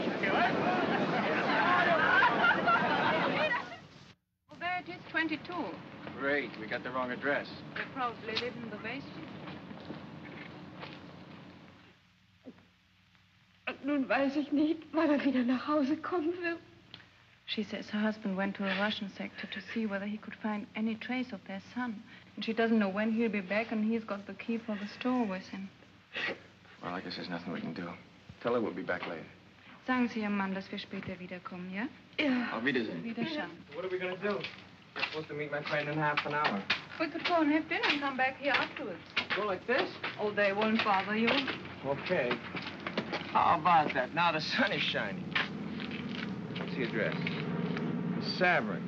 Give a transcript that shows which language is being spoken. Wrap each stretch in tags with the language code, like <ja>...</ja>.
<en>It is 22. Great, we got the wrong address. They probably live in the basement.</en> <de>Nun weiß ich nicht, wann er wieder nach Hause kommen will.</de> <en>She says her husband went to a Russian sector to see whether he could find any trace of their son. And she doesn't know when he'll be back, and he's got the key for the store with him. Well, I guess there's nothing we can do. Tell her we'll be back later.</en> <de>Sagen Sie Ihrem Mann, dass wir später wiederkommen, ja? Ja. Auf Wiedersehen. Wiedersehen.</de> <en>What are we going to do? I'm supposed to meet my friend in half an hour. We could go and have dinner and come back here afterwards. Go like this? Oh, they won't bother you. Okay. How about that? Now the sun is shining. What's the address? Savrin.</en>